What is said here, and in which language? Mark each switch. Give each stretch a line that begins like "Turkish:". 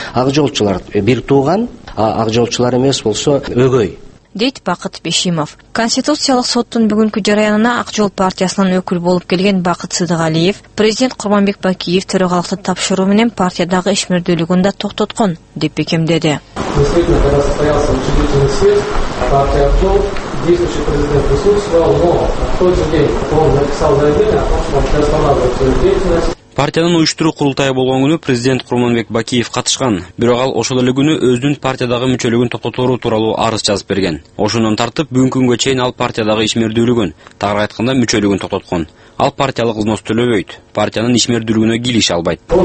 Kyrgyz: Ак жолчулар бир тууган, а ак жолчулар эмес болсо өгөй, дейт Бакыт Бешимов. Конституциялык соттун бүгүнкү жараянына Ак жол партиясынын өкүлү болуп келген Бакыт Сыдыгалиев президент Курманбек Бакиев төрагалыкты тапшыруу менен партиядагы ишмердүүлүгүн да токтоткон деп бекемдеди.
Russian: Действительно, когда состоялся учредительный съезд партии Ак жол, действующий президент присутствовал, но в тот же день он написал заявление о том, что он приостанавливает свою деятельность.
Kyrgyz: Партиянын уюштуруу курултайы болгон күнү президент Курманбек Бакиев катышкан, бирок ал ошол эле күнү өзүнүн партиядагы мүчөлүгүн токтотору тууралуу арыз жазып берген. Ошондон тартып бүгүнкү күнгө чейин ал партиядагы ишмердүүлүгүн, тагыраак айтканда мүчөлүгүн токтоткон. Ал партиялык взнос төлөбөйт, партиянын ишмердүүлүгүнө килиш албайт.